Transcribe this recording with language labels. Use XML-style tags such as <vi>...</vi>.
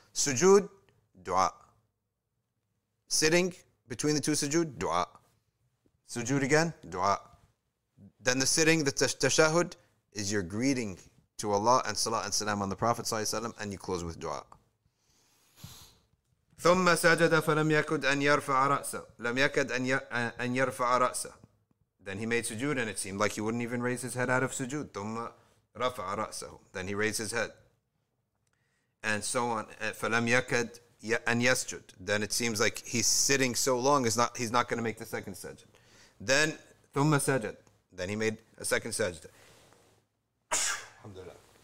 <en>Sujood, dua. Sitting between the two sujood, dua. Sujood again, dua. Then the sitting, the tashahud, is your greeting to Allah and salah and salam on the Prophet sallallahu alaihi wasallam, and you close with dua.</en> <ar>ثم سجد فلم يكد أن يرفع رأسه لم يكد أن يرفع رأسه.</ar> <en>Then he made sujood, and it seemed like he wouldn't even raise his head out of sujood.</en> <ar>ثم رفع رأسه.</ar> <en>Then he raised his head. And so on.</en> <ar>فَلَمْ يَكَدْ أَنْ يَسْجُدْ.</ar> <en>Then it seems like he's sitting so long, he's not going to make the second sajd. Then,</en> <ar>ثُمَّ سَجَدْ.</ar> <en>Then he made a second sajd. Alhamdulillah.</en>